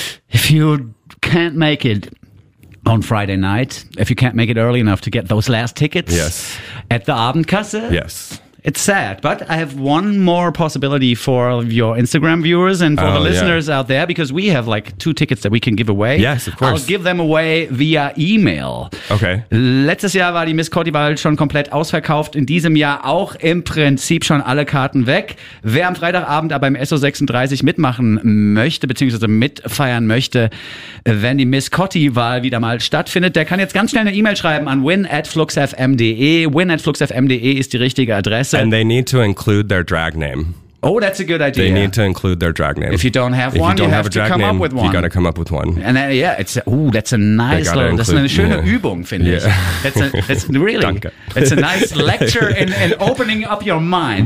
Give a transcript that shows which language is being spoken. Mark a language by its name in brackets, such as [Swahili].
[English] If you can't make it on Friday night, if you can't make it early enough to get those last tickets at the Abendkasse, it's sad, but I have one more possibility for your Instagram viewers and for the listeners out there, because we have like two tickets that we can give away. Yes, of course. I'll give them away via email. Okay. [German] Letztes Jahr war die Miss Cordival schon komplett ausverkauft. In diesem Jahr auch im Prinzip schon alle Karten weg. Wer am Freitagabend aber im SO36 mitmachen möchte, beziehungsweise mitfeiern möchte, wenn die Miss Cordival wieder mal stattfindet, der kann jetzt ganz schnell eine E-Mail schreiben an win@fluxfm.de. win@fluxfm.de ist die richtige Adresse. [English] And they need to include their drag name. Oh, that's a good idea. They need to include their drag name. If you don't have one, you have to come up with one. You got to come up with one. And then, that's a nice little, [German] das ist eine schöne Übung, finde ich. [English] It's a nice lecture in opening up your mind.